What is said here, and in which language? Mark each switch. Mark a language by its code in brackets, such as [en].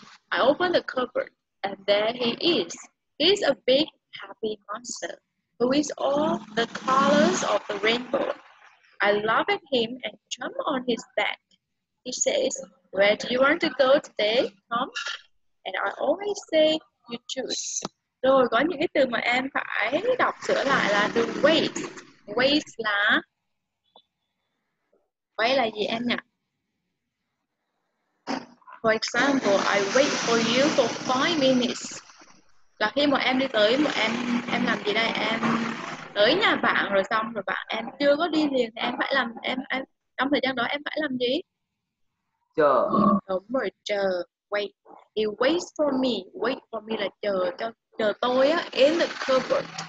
[en] I open the cupboard and there he is. He's a big happy monster who is all the colors of the rainbow. I laugh at him and jump on his back. He says, "Where do you want to go today, Tom?" And I always say, "You choose." [vi] Rồi có những cái từ mà em phải đọc sửa lại là từ wait. Wait là wait là gì em nhỉ? [en] For example, I wait for you for 5 minutes. [vi] Là khi mà em đi tới mà em làm gì đây? Em tới nhà bạn rồi xong rồi bạn em chưa có đi liền thì em phải làm em trong thời gian đó em phải làm gì? Chờ. Đúng rồi, chờ. [en] Wait. He waits for me. Wait for me [vi] là chờ cho chờ tôi á, [en] in the cupboard.